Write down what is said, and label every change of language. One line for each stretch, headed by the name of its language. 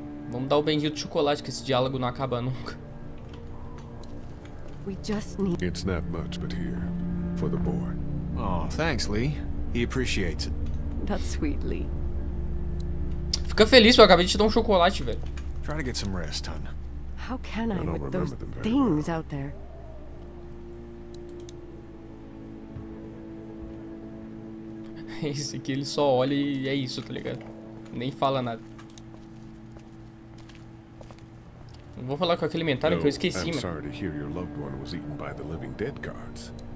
Portuguese: Vamos dar o bendito chocolate que esse diálogo não acaba nunca.
English: We just need. It's not much, but here. For the boy. Oh, thanks, Lee. He appreciates it. That's sweet, Lee.
Portuguese: Fica feliz, eu acabei de te dar um chocolate, velho.
English: Try to get some rest, hon. How can I with those things out there?
Portuguese: Esse aqui ele só olha e é isso, tá ligado? Nem fala nada. Não vou falar com aquele mentário que eu esqueci, mano.
English: I'm sorry to hear your loved one was eaten by the living dead guards.